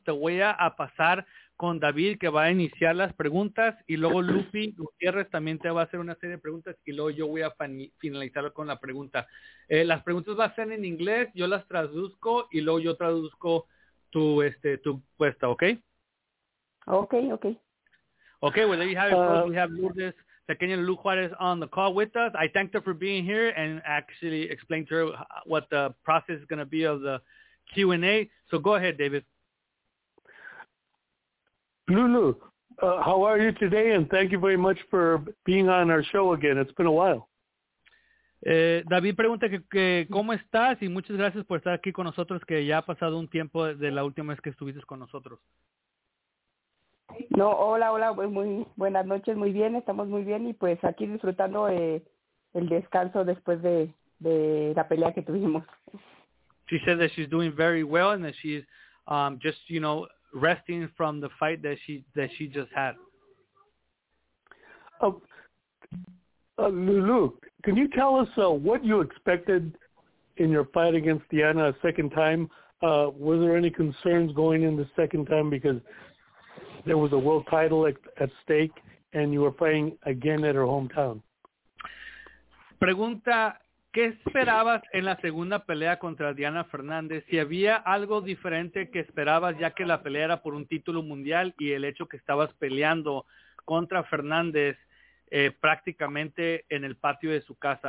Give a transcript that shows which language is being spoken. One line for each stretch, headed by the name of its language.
Spanish: Te voy a pasar con David, que va a iniciar las preguntas, y luego Lupi Gutierrez también te va a hacer una serie de preguntas, y luego yo voy a finalizar con la pregunta. Las preguntas van a ser en inglés, yo las traduzco, y luego yo traduzco tu respuesta, ¿ok?
English: Ok, ok. Ok, well, there you have it. We have Lourdes Pequeña Lulu Juarez on the call with us. I thanked her for being here and actually explained to her what the process is going to be of the Q&A. So go ahead, David. Lulu, how are you today? And thank you very much for being on our show again. It's been a while.
Spanish: David pregunta que cómo estás, y muchas gracias por estar aquí con nosotros, que ya ha pasado un tiempo de la última vez que estuviste con nosotros. No, hola, hola, muy buenas noches, muy bien, estamos muy bien, y pues aquí disfrutando el descanso después de la pelea que tuvimos.
English: She said that she's doing very well and that she's just, you know, resting from the fight that she just had. Lulu, can you tell us what you expected in your fight against Deanna a second time? Were there any concerns going in the second time because there was a world title at stake and you were fighting again at her hometown?
Spanish: Pregunta, ¿qué esperabas en la segunda pelea contra Deanna Fernández? ¿Si había algo diferente que esperabas ya que la pelea era por un título mundial y el hecho que estabas peleando contra Fernández prácticamente en el patio de su casa?